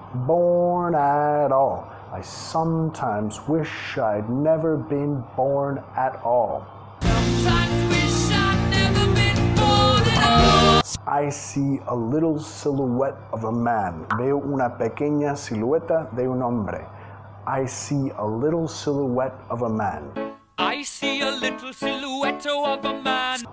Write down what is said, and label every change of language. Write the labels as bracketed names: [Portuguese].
[English] Born at all. I sometimes wish I'd never been born at all. Sometimes wish I'd never been born at all. I see a little silhouette of a man. [Spanish] Veo una pequeña silueta de un hombre. [English] I see a little silhouette of a man. I see a little silhouette of a man.